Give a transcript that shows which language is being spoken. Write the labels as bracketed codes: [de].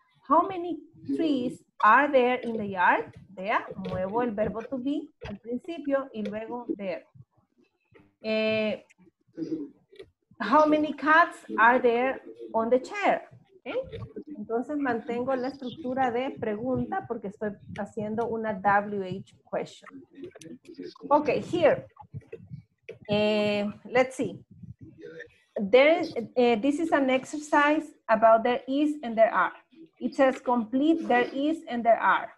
[en] How many trees are there in the yard? [es] Vea, muevo el verbo to be al principio y luego there. [en] How many cats are there on the chair? ¿Okay? [es] Entonces mantengo la estructura de pregunta porque estoy haciendo una WH question. [en] Ok, here. Let's see. This is an exercise about there is and there are. It says complete there is and there are.